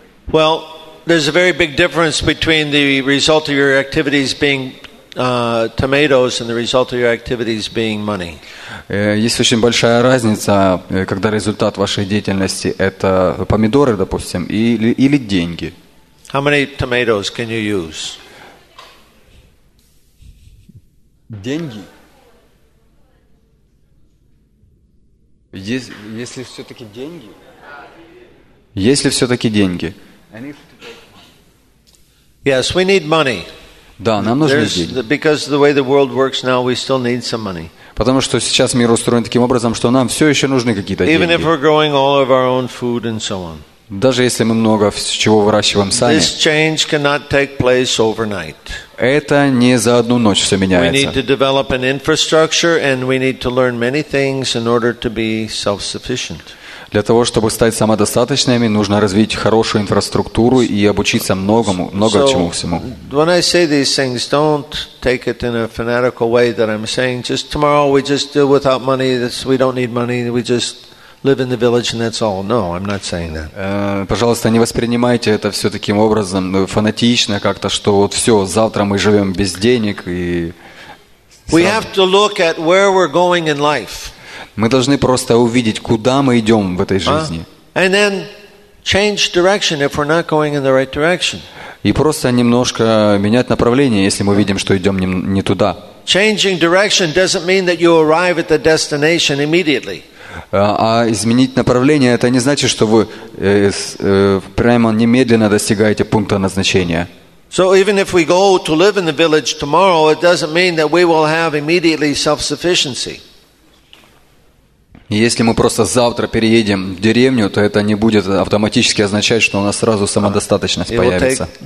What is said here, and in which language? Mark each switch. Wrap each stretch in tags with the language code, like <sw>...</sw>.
<en>Well, there's a very big difference between the result of your activities being tomatoes and the result of your activities being money.</en> <ru>Есть очень большая разница, когда результат вашей деятельности это помидоры, допустим, или деньги.</ru> <en>How many tomatoes can you use?</en> <ru>Деньги. Если все-таки деньги. Есть ли все-таки деньги?</ru> <en>Yes, we need money.</en> <ru>Да, нам нужны деньги.</ru> <en>Because the way the world works now, we still need some money.</en> <ru>Потому что сейчас мир устроен таким образом, что нам все еще нужны какие-то деньги.</ru> <en>Even if we're growing all of our own food and so on.</en> <ru>Даже если мы много чего выращиваем сами.</ru> <en>This change cannot take place overnight.</en> <ru>Это не за одну ночь все меняется.</ru> <en>We need to develop an infrastructure, and we need to learn many things in order to be self-sufficient.</en> <ru>Для того, чтобы стать самодостаточными, нужно развить хорошую инфраструктуру и обучиться многому, много чему всему.</ru> <en>When I say these things, don't take it in a fanatical way that I'm saying just tomorrow we just do without money, we don't need money, we just live in the village and that's all. No, I'm not saying that.</en> <ru>Пожалуйста, не воспринимайте это все таким образом, фанатично как-то, что вот все, завтра мы живем без денег и...</ru> <en>We have to look at where we're going in life.</en> <ru>Мы должны просто увидеть, куда мы идем в этой жизни. И просто немножко менять направление, если мы видим, что идем не туда.</ru> <en>Changing direction doesn't mean that you arrive at the destination immediately.</en> <ru>А изменить направление это не значит, что вы прямо немедленно достигаете пункта назначения.</ru> <en>So even if we go to live in the village tomorrow, it doesn't mean that we will have immediately self-sufficiency.</en> <ru>Если мы просто завтра переедем в деревню, то это не будет автоматически означать, что у нас сразу самодостаточность появится.</ru>